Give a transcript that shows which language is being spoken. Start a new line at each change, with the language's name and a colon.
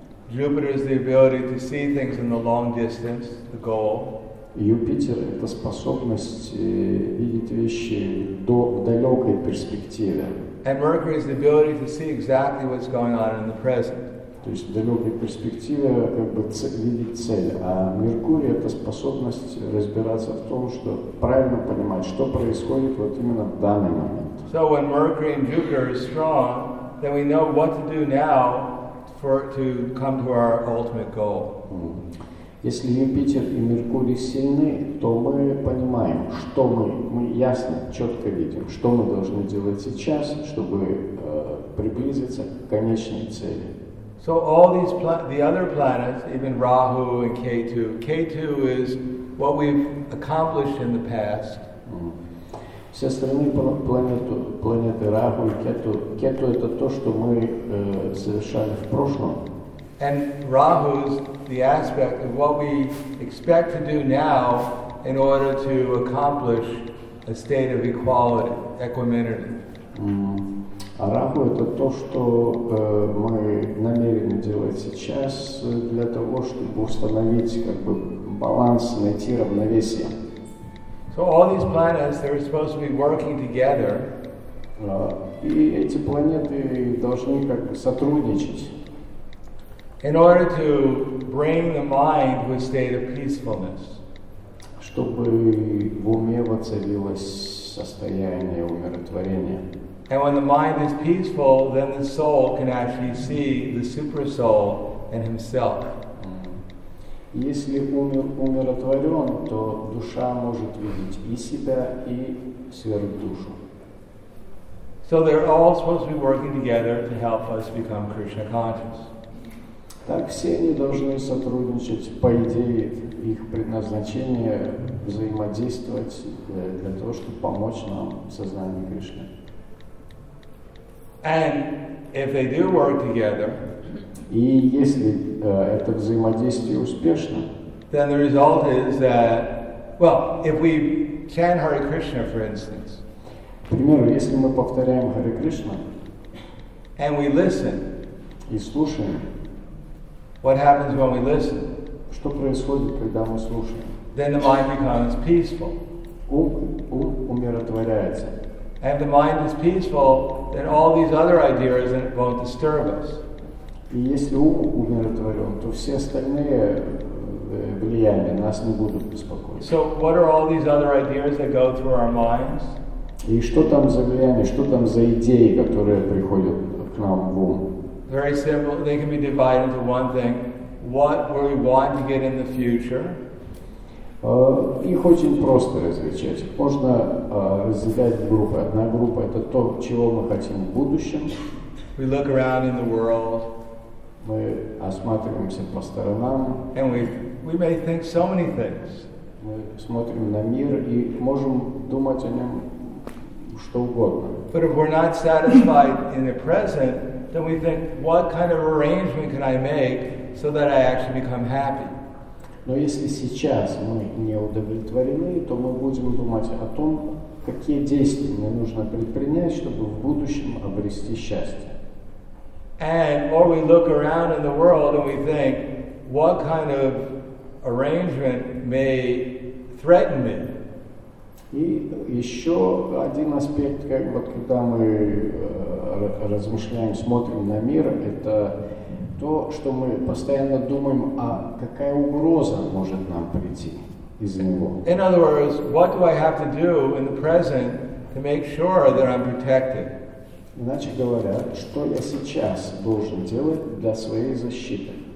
English: Jupiter is the ability to see things in the long distance, the goal.
Russian: Юпитер — это способность видеть вещи в далекой перспективе.
English: And Mercury is the ability to see exactly what's going on in the present.
Russian: То есть в далекой перспективе как бы видеть цель. А Меркурий — это способность разбираться в том, что правильно понимать, что происходит вот именно в данный момент.
English: So when Mercury and Jupiter are strong, then we know what to do now for to come to our ultimate goal.
Russian: Если Юпитер и Меркурий сильны, то мы понимаем, что мы ясно, четко видим, что мы должны делать сейчас, чтобы приблизиться к конечной цели.
English: So all these the other planets, even Rahu and Ketu. Ketu is what we've accomplished in the past.
Russian: Все остальные планеты Раху и Кету. Кету — это то, что мы совершали в прошлом.
English: And Rahu is the aspect of what we expect to do now in order to accomplish a state of equality, equanimity.
Russian: А Раху — это то, что мы намерены делать сейчас для того, чтобы установить как бы баланс, найти равновесие.
English: So all these planets, they're supposed to be working together.
Russian: И эти планеты должны как бы сотрудничать.
English: In order to bring the mind to a state of peacefulness.
Russian: Чтобы в уме воцарилось состояние умиротворения.
English: And when the mind is peaceful, then the soul can actually see the super soul and himself.
Russian: Если ум умиротворен, то душа может видеть и себя, и сверхдушу.
English: So they're all supposed to be working together to help us become Krishna conscious.
Russian: Так все они должны сотрудничать, по идее, их предназначение взаимодействовать для того, чтобы помочь нам в сознании Кришны.
English: And if they do work together,
Russian: и если это взаимодействие успешно,
English: then the result is that, well, if we chant Hare Krishna, for instance,
Russian: к примеру, если мы повторяем Hare Krishna,
English: and we listen,
Russian: и слушаем,
English: what happens when we listen?
Russian: Что происходит, когда мы слушаем?
English: Then the mind becomes peaceful.
Russian: Ум умиротворяется.
English: And if the mind is peaceful, then all these other ideas won't disturb us.
Russian: И если ум умиротворен, то все остальные влияния нас не будут беспокоить.
English: So what are all these other ideas that go through our minds?
Russian: И что там за влияния, что там за идеи, которые приходят к нам в ум?
English: Very simple. They can be divided into one thing: what we want to get in the future.
Russian: Их очень просто различать. Можно разделять группы. Одна группа — это то, чего мы хотим в будущем.
English: We look around in the world.
Russian: Мы осматриваемся по сторонам.
English: And we may think so many things.
Russian: Мы смотрим на мир и можем думать о нем что угодно.
English: But if we're not satisfied in the present, then we think, what kind of arrangement can I make so that I actually become happy?
Russian: Но если сейчас мы не удовлетворены, то мы будем думать о том, какие действия мне нужно предпринять, чтобы в будущем обрести счастье.
English: And or we look around in the world and we think, what kind of arrangement may threaten me?
Russian: И еще один аспект, как вот, когда мы размышляем, смотрим на мир, это то, что мы постоянно думаем, а какая угроза может нам прийти из него.
English: In other words, what do I have to do in the present to make sure that I'm protected?
Russian: Иначе говоря, что я сейчас должен делать для своей защиты?